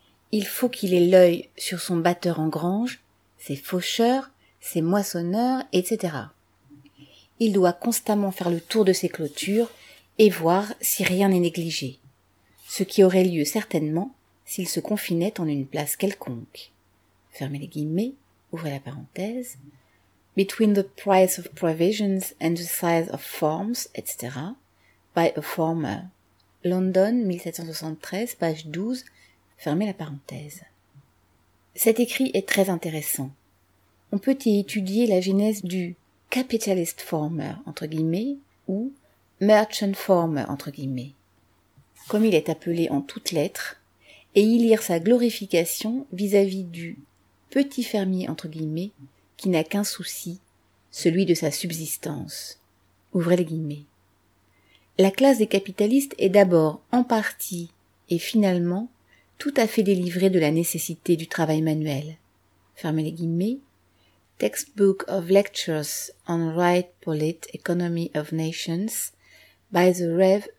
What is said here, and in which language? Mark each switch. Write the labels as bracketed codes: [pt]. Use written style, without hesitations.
[fr] Il faut qu'il ait l'œil sur son batteur en grange, ses faucheurs, ses moissonneurs, etc. Il doit constamment faire le tour de ses clôtures et voir si rien n'est négligé, ce qui aurait lieu certainement s'il se confinait en une place quelconque. Fermez les guillemets, ouvrez la parenthèse. [en] Between the price of provisions and the size of farms, etc. By a farmer. London, 1773, page 12. [fr] Fermez la parenthèse. Cet écrit est très intéressant. On peut y étudier la genèse du « capitalist farmer » entre guillemets ou « merchant farmer » entre guillemets, comme il est appelé en toutes lettres, et y lire sa glorification vis-à-vis du « petit fermier » entre guillemets qui n'a qu'un souci, celui de sa subsistance. Ouvrez les guillemets. La classe des capitalistes est d'abord en partie et finalement « tout à fait délivré de la nécessité du travail manuel. Fermez les guillemets. [en] Textbook of Lectures on Right Polit Economy of Nations by the Rev.